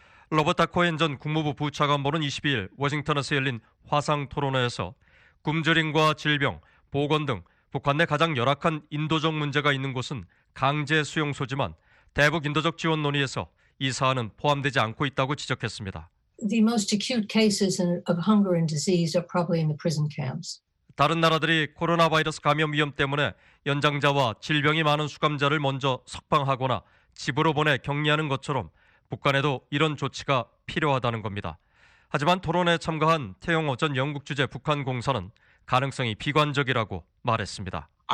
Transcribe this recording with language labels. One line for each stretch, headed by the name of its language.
Korean: 로버타 코엔 전 국무부 부차관보는 22일 워싱턴에서 열린 화상토론회에서 굶주림과 질병, 보건 등 북한 내 가장 열악한 인도적 문제가 있는 곳은 강제수용소지만 대북 인도적 지원 논의에서 이 사안은 포함되지 않고 있다고 지적했습니다.
English: The most acute cases of hunger and disease are probably in the prison camps.
Korean: 다른 나라들이 코로나 바이러스 감염 위험 때문에 연장자와 질병이 많은 수감자를 먼저 석방하거나 집으로 보내 격리하는 것처럼 북한에도 이런 조치가 필요하다는 겁니다. 하지만 토론에 참가한 태영호 전 영국 주재 북한 공사는 가능성이 비관적이라고 말했습니다.